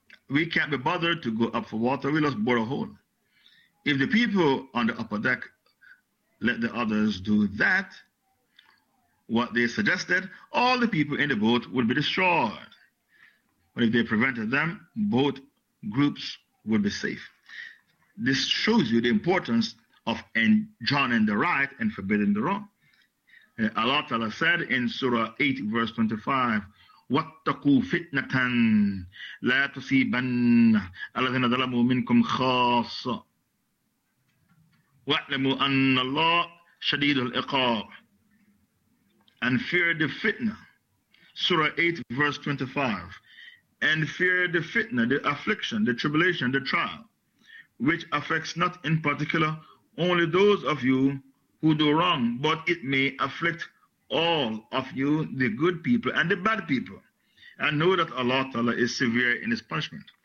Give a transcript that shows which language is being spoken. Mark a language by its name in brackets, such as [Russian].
[English] We can't be bothered to go up for water. We just bore a hole. If the people on the upper deck let the others do that, what they suggested, all the people in the boat would be destroyed. But if they prevented them, both groups would be safe. This shows you the importance of enjoining the right and forbidding the wrong. Allah Ta'ala said in Surah 8, verse 25, [Arabic] وَاتَّقُوا فِتْنَةً لَا تُصِيبَنَّ أَلَّذِينَ ظَلَمُوا مِنْكُمْ خَاصَّ وَأَعْلَمُوا أَنَّ اللَّهَ شَدِيدُ الْإِقَابِ [English] And fear the fitna. Surah 8, verse 25. And fear the fitna, the affliction, the tribulation, the trial, which affects not in particular only those of you who do wrong, but it may afflict all of you, the good people and the bad people, and know that Allah Ta'ala is severe in His punishment.